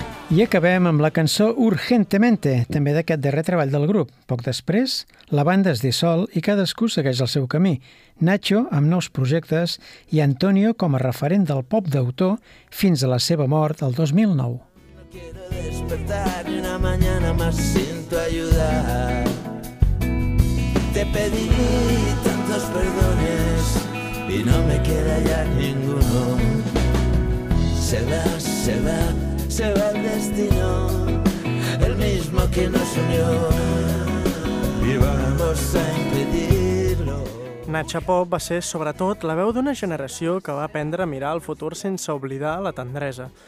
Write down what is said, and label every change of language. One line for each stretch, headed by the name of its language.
Catalan: I acabem amb la cançó Urgentemente, també d'aquest darrer treball del grup. Poc després, la banda es dissol i cadascú segueix el seu camí. Nacho amb nous projectes i Antonio com a referent del pop d'autor fins a la seva mort el 2009.
Spanish: No quiero despertar y una mañana me siento a ayudar. Te pedí tantos perdones y no me queda ya ninguno. Se va, se va. Se va el destino, el mismo que nos unió, y vamos a impedirlo.
Catalan: Nacha Pop va ser, sobretot, la veu d'una generació que va aprendre a mirar el futur sense oblidar la tendresa.